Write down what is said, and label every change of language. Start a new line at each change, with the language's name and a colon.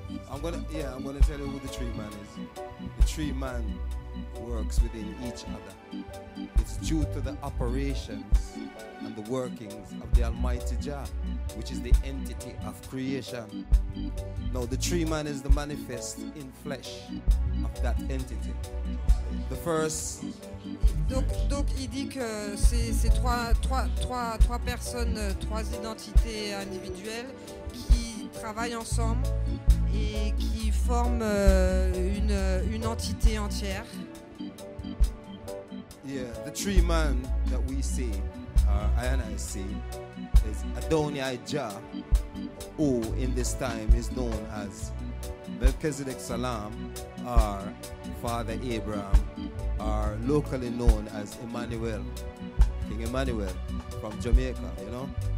English: I'm gonna tell you who the three man is. The three man works within each other. It's due to the operations and the workings of the Almighty Jah, which is the entity of creation. Now, the tree man is the manifest in flesh of that entity. The first.
French: Donc il dit que c'est trois personnes, trois identités individuelles qui travaillent ensemble et qui forment une entité entière.
English: Yeah, the tree man that we see, I and I see, is Adonai Jah, who in this time is known as Melchizedek Salam, or Father Abraham, or locally known as Emmanuel, King Emmanuel from Jamaica, you know?